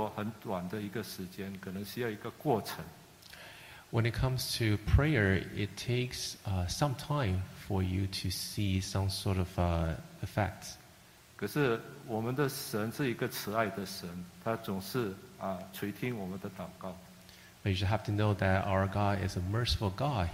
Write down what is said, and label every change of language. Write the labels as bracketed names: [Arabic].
[Chinese] 所以这个祷告呢，当然需要一个时间，而且不是说很短的一个时间，可能需要一个过程。 [English] When it comes to prayer, it takes some time for you to see some sort of effect. [Chinese] 可是我们的神是一个慈爱的神，他总是垂听我们的祷告。 [English] But you should have to know that our God is a merciful God.